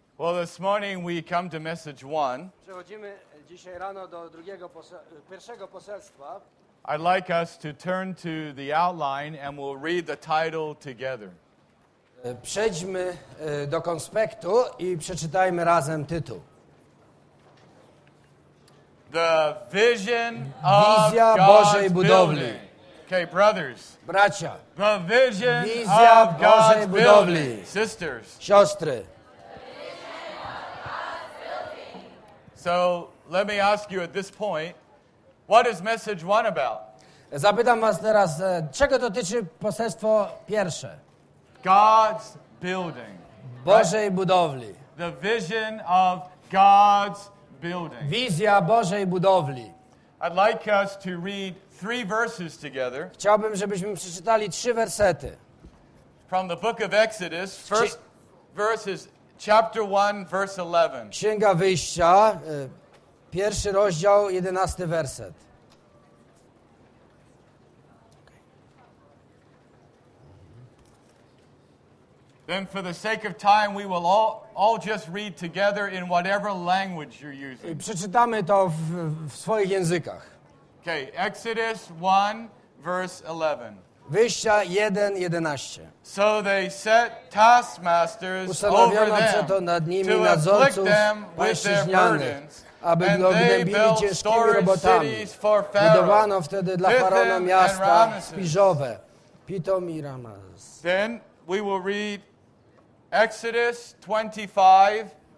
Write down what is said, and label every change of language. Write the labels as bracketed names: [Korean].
[English] Well, this morning we come to message one. [Polish] Przechodzimy dzisiaj rano do drugiego pierwszego poselstwa. [English] I'd like us to turn to the outline and we'll read the title together. [Polish] Przejdźmy do konspektu i przeczytajmy razem tytuł. [English] The vision of [Polish] Bożej budowli. [English] Okay, brothers. [Polish] Bracia. [English] The vision of [Polish] Bożej budowli. [English] Sisters. [Polish] Siostry. [English] So let me ask you at this point, what is message one about? [Polish] Zapytam was teraz, czego dotyczy poselstwo pierwsze? [English] God's building. [Polish] Bożej budowli. [English] The vision of God's building. [Polish] Wizja Bożej budowli. [English] I'd like us to read three verses together. [Polish] Chciałbym, żebyśmy przeczytali trzy wersety. [English] From the book of Exodus, first verse is Chapter 1, verse 11. [Polish] Księga Wyjścia, pierwszy rozdział, 11 werset. [English] Then for the sake of time, we will all just read together in whatever language you're using. [Polish] Przeczytamy to w swoich językach. [English] Okay, Exodus 1, verse 11. [Polish] Wyjścia 1, 11. [English] So they set taskmasters over them [Polish] to nad nimi nadzorców pęszczyźnianych, aby gnębili ciężkimi robotami. Budowano wtedy dla faraona miasta spiżowe, Pitom i Ramses. [English] Then we will read Exodus 25,